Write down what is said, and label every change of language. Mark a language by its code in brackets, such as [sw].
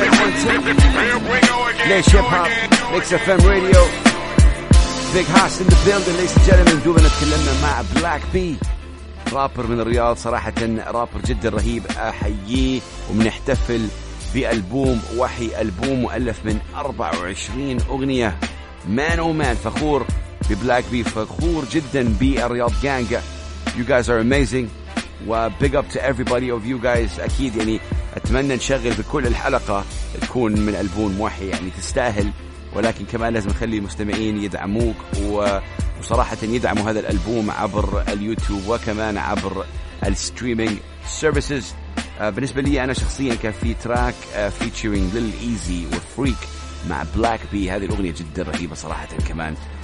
[en] Laish Hip Hop, Mix F M radio, Big Huss in the building. Ladies and gentlemen, [ar] دوبنا تكلمنا مع Black B, رابر من الرياض, صراحة رابر جدا رهيب, أحييه ومنحتفل بألبوم وحي, ألبوم مؤلف من 24 أغنية. [en] man oh man, [ar] فخور ببلاك بي, فخور جدا بالرياض جانجا. [en] You guys are amazing, وبيج up to everybody of you guys. [ar] أكيد يعني أتمنى نشغل بكل الحلقة تكون من ألبوم وحي, يعني تستاهل, ولكن كمان لازم نخلي المستمعين يدعموك وصراحة يدعموا هذا الألبوم عبر اليوتيوب وكمان عبر الستريمينج سيرفيسز. بالنسبة لي أنا شخصيا كان في تراك فيتشيرينج ليل إيزي وفريك مع بلاك بي, هذه الأغنية جدا رهيبة صراحة كمان.